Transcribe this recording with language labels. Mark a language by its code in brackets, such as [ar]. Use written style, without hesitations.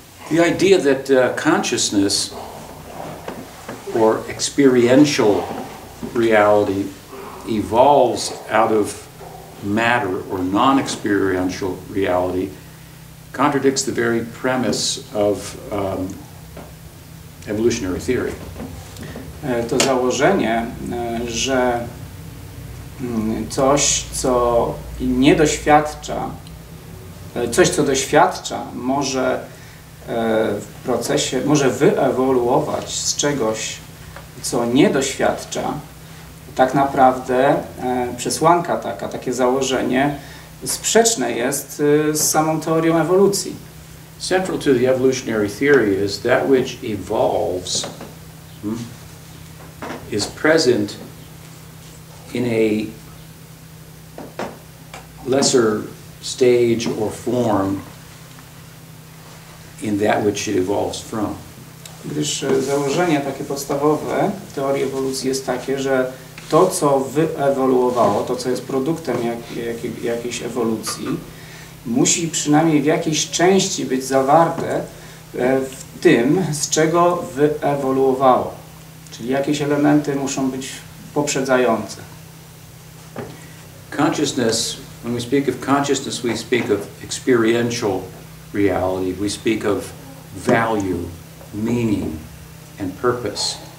[en] The idea that consciousness or experiential reality evolves out of matter or non-experiential reality contradicts the very premise of evolutionary theory. [pl] To założenie, że coś, co nie doświadcza, coś, co doświadcza, może w procesie, może wyewoluować z czegoś, co nie doświadcza, tak naprawdę przesłanka taka, takie założenie sprzeczne jest z samą teorią ewolucji. [en] Central to the evolutionary theory is that which evolves is present in a lesser stage or form in that which it evolves from. [pl] Gdyż założenie takie podstawowe teorii ewolucji jest takie, że to, co wyewoluowało, to, co jest produktem jakiejś ewolucji, musi przynajmniej w jakiejś części być zawarte w tym, z czego wyewoluowało. Czyli jakieś elementy muszą być poprzedzające. [en] Consciousness, when we speak of consciousness, we speak of experiential reality, we speak of value, meaning and purpose.